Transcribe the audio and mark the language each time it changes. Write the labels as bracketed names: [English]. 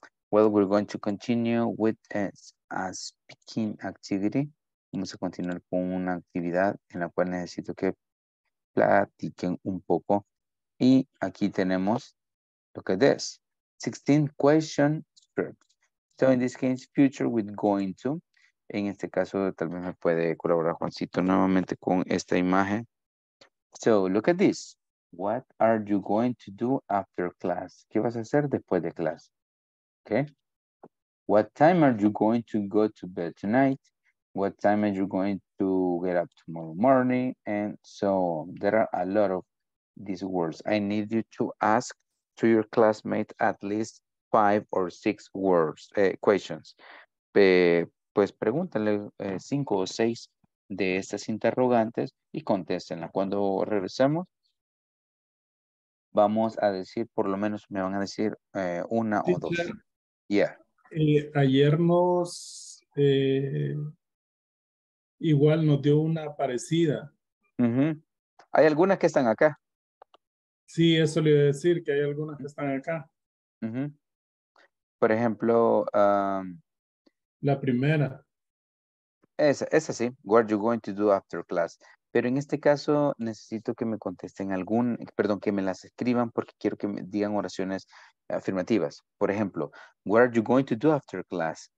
[English] Well, we're going to continue with a speaking activity. [Spanish] Vamos a continuar con una actividad en la cual necesito que platiquen un poco. Y aquí tenemos lo que es 16 question script. [English] So in this case, future with going to. [Spanish] En este caso, tal vez me puede colaborar Juancito nuevamente con esta imagen. [English] So look at this. What are you going to do after class? [Spanish] ¿Qué vas a hacer después de clase? [English] Okay. What time are you going to go to bed tonight? What time are you going to get up tomorrow morning? And so there are a lot of these words. I need you to ask to your classmate at least 5 or 6 words, questions. [Spanish] Pues pregúntale 5 o 6 de estas interrogantes y contéstenla. Cuando regresemos, vamos a decir, por lo menos me van a decir una o dos. [English] Yeah. [Spanish] Ayer nos igual nos dio una parecida. Mm-hmm. Hay algunas que están acá. Sí, eso le iba a decir, que hay algunas que están acá. Mm-hmm. Por ejemplo, la primera. Esa sí. [English] What are you going to do after class? [Spanish] Pero en este caso necesito que me contesten que me las escriban porque quiero que me digan oraciones afirmativas. Por ejemplo, [English] what are you going to do after class?